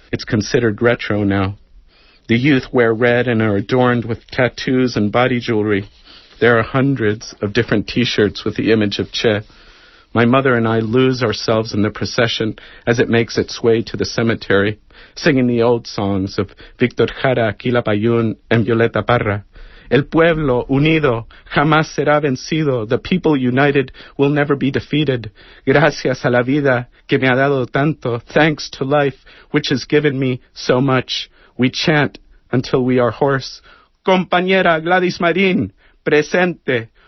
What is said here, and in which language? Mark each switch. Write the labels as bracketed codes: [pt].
[en] It's considered retro now. The youth wear red and are adorned with tattoos and body jewelry. There are hundreds of different t-shirts with the image of Che. My mother and I lose ourselves in the procession as it makes its way to the cemetery, singing the old songs of Victor Jara, Aquila Bayun, and Violeta Parra. [es] El pueblo unido jamás será vencido. [en] The people united will never be defeated. [es] Gracias a la vida que me ha dado tanto. [en] Thanks to life which has given me so much. We chant until we are hoarse. [es] Compañera Gladys Marín, presente.